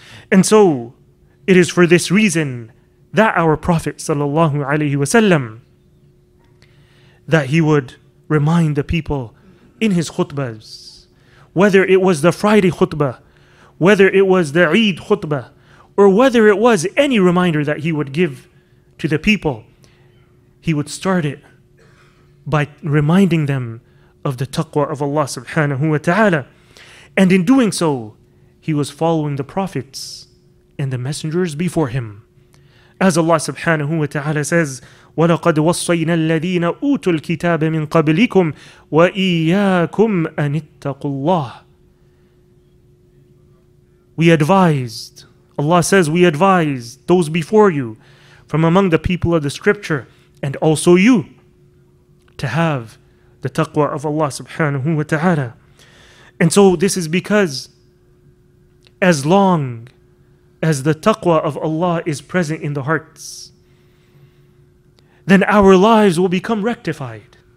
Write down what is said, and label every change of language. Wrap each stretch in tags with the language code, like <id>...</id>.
<en>And so, it is for this reason that our Prophet sallallahu alaihi wasallam, that he would remind the people in his khutbahs, whether it was the Friday khutbah, whether it was the Eid khutbah, or whether it was any reminder that he would give to the people, he would start it by reminding them of the taqwa of Allah subhanahu wa ta'ala. And in doing so, he was following the prophets and the messengers before him. As Allah subhanahu wa ta'ala says,</en> <ar>وَلَقَدْ وَصَّيْنَا الَّذِينَ أُوتُوا الْكِتَابَ مِنْ قَبْلِكُمْ وَإِيَّاكُمْ أَنِ اتَّقُوا اللَّهِ.</ar> <en>We advised, Allah says, we advised those before you from among the people of the scripture and also you to have the taqwa of Allah subhanahu wa ta'ala. And so this is because as long as the taqwa of Allah is present in the hearts, then our lives will become rectified.</en>